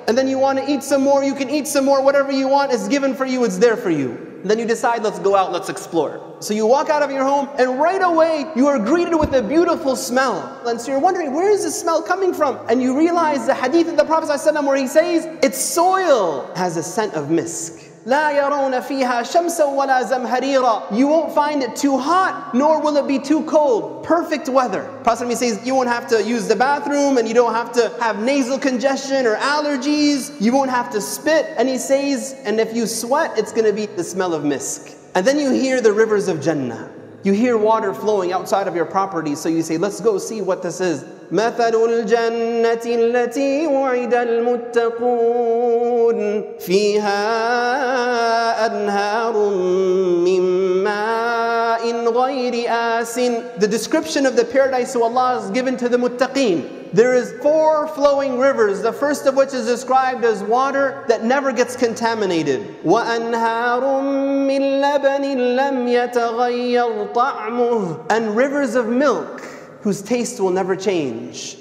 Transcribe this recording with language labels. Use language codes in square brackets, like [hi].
[en] And then you want to eat some more, you can eat some more, whatever you want is given for you, it's there for you. And then you decide, let's go out, let's explore. So you walk out of your home and right away you are greeted with a beautiful smell. And so you're wondering, where is this smell coming from? And you realize the hadith of the Prophet ﷺ where he says, its soil has a scent of misk. [ar] لا يرون فيها شمسا ولا زمهريرا. [en] You won't find it too hot, nor will it be too cold. Perfect weather. Prophet ﷺ says you won't have to use the bathroom and you don't have to have nasal congestion or allergies. You won't have to spit. And he says, and if you sweat, it's going to be the smell of misk. And then you hear the rivers of Jannah. You hear water flowing outside of your property. So you say, let's go see what this is. [ar] مثل الجنة التي وعد المتقون فيها أنهار من ماء غير آسٍ. [en] The description of the paradise of Allah is given to the muttaqeen. There is four flowing rivers, the first of which is described as water that never gets contaminated. [ar] وَأَنْهَارٌ مِّن لَبَنٍ لَمْ يَتَغَيَّرْ طَعْمُهُ. [en] And rivers of milk whose taste will never change.